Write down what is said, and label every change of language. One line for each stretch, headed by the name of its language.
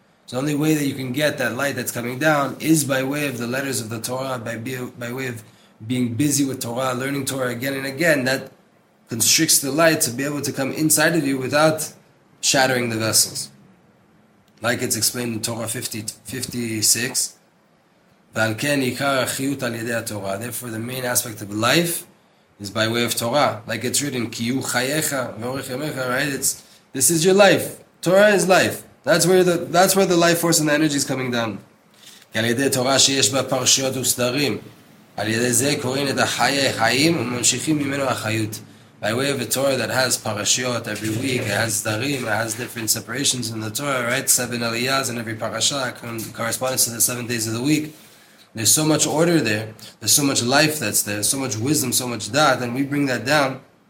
English: The only way that you can get that light that's coming down is by way of the letters of the Torah, by way of being busy with Torah, learning Torah again and again. That constricts the light to be able to come inside of you without shattering the vessels. Like it's explained in Torah 50, 56,
Hebrew: ועל כן עיקר החיות על ידי התורה.
English: Therefore, the main aspect of life is by way of Torah. Like it's written,
Hebrew: כי הוא חייך ואורך ימיך,
English: right? It's, this is your life. Torah is life. That's where the life force and the energy is coming down.
Hebrew: כי על ידי תורה שיש בה פרשיות וסדרים, על ידי זה קוראים את החיי חיים וממשיכים ממנו החיות.
English: By way of a Torah that has parashiot every week, it has darim, it has different separations in the Torah, right? Seven aliyahs in every parasha corresponds to the 7 days of the week. There's so much order there, there's so much life that's there, so much wisdom, so much da'at, and we bring that down.